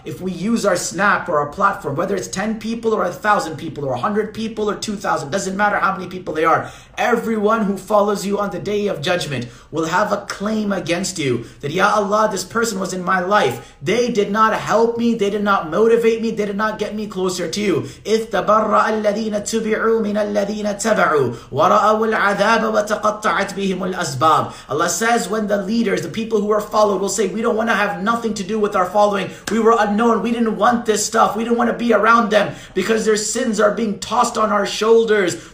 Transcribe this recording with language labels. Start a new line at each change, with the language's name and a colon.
English: If we use our snap or our platform, whether it's 10 people or 1,000 people or 100 people or 2,000, doesn't matter how many people they are. Everyone who follows you on the day of judgment will have a claim against you that, Ya Allah, this person was in my life. They did not help me. They did not motivate me. They did not get me closer to you. If tabarra Allah.
Arabic: الذين تبعوا من الذين تبعوا ورأوا العذاب وتقطعت بهم الأسباب.
English: Allah says, when the leaders, the people who are followed, will say, we don't want to have nothing to do with our following. We were unknown. We didn't want this stuff. We didn't want to be around them because their sins are being tossed on our shoulders.